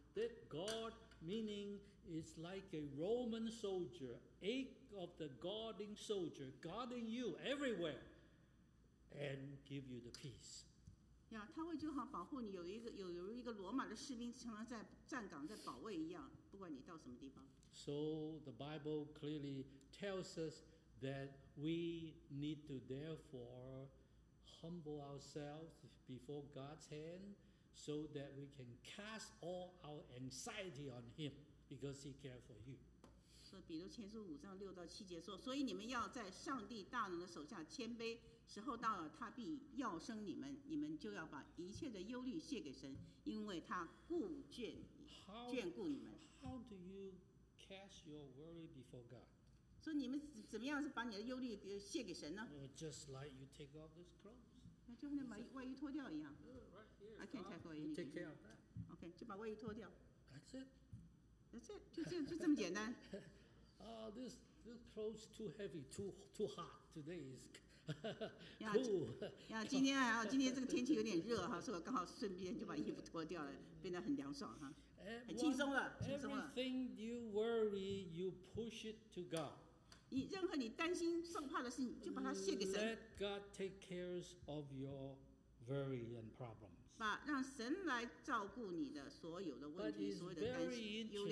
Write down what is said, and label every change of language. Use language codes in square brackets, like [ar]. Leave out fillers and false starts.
[en] That guard meaning is like a Roman soldier, eight of the guarding soldier guarding you everywhere, and give you the peace. [zh] 呀，他会就好保护你，有一个罗马的士兵常常在站岗在保卫一样，不管你到什么地方。 [en] So the Bible clearly tells us that we need to therefore humble ourselves before God's hand so that we can cast all our anxiety on Him because He cares for you. [zh] 所以彼得前书五章六到七节说，所以你们要在上帝大能的手下谦卑。时候到了，他必要生你们，你们就要把一切的忧虑卸给神，因为他眷顾你们。 [en] How do you cast your worry before God? [zh] 所以你们怎么样是把你的忧虑卸给神呢？ [en] Just like you take off this clothes. [zh] 那就像你把外衣脱掉一样。 [en] Right here. I can't take off anything. Take care of that. [zh] Okay, 就把外衣脱掉。 [en] That's it. [zh] 就这么简单。 [en] Oh, this clothes too heavy, too hot. Today is cool. [zh] 今天这个天气有点热哈，所以我刚好顺便就把衣服脱掉了，变得很凉爽哈，很轻松了，轻松了。 [en] Everything you worry, you push it to God. [zh] 你任何你担心、受怕的事，你就把它卸给神。 [en] Let God take care of your worry and problems. [zh] 把让神来照顾你的所有的问题、所有的担心、忧虑。